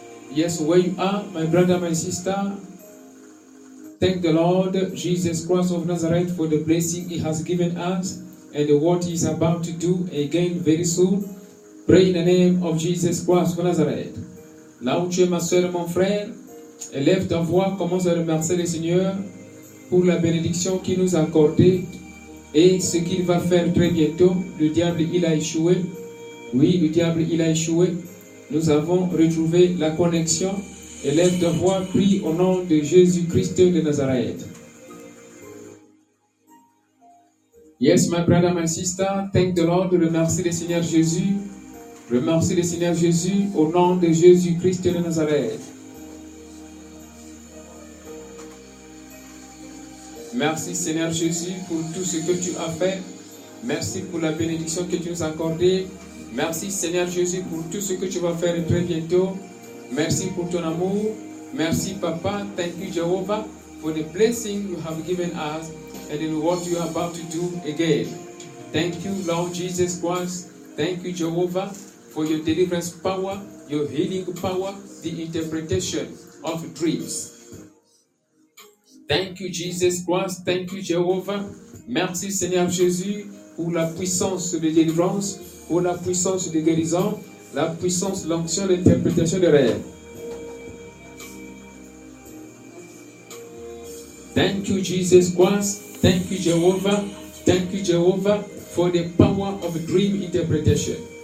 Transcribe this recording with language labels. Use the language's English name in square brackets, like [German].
[English] Yes, where you are, my brother, my sister. Thank the Lord Jesus Christ of Nazareth for the blessing He has given us and what He is about to do again very soon. Pray in the name of Jesus Christ of Nazareth. [French] Là où tu es, ma soeur, mon frère, élève ta voix, commence à remercier le Seigneur pour la bénédiction qu'il nous a accordée. Et ce qu'il va faire très bientôt, le diable, il a échoué. Oui, le diable, il a échoué. Nous avons retrouvé la connexion. Élève de voix, prie au nom de Jésus-Christ de Nazareth. [English] Yes, my brother, my sister, thank the Lord, [French] remercie le Seigneur Jésus. Remercie le Seigneur Jésus au nom de Jésus-Christ de Nazareth. Merci Seigneur Jésus pour tout ce que tu as fait. Merci pour la bénédiction que tu nous as accordée. Merci Seigneur Jésus pour tout ce que tu vas faire très bientôt. Merci pour ton amour. Merci Papa. [English] Thank you Jehovah for the blessing you have given us and in what you are about to do again. Thank you Lord Jesus Christ. Thank you Jehovah for your deliverance power, your healing power, the interpretation of dreams. Thank you, Jesus Christ. Thank you, Jehovah. [French] Merci, Seigneur Jésus, pour la puissance de délivrance, pour la puissance de guérison, la puissance, l'onction, l'interprétation des rêves. [English] Thank you, Jesus Christ. Thank you, Jehovah. Thank you, Jehovah, for the power of dream interpretation.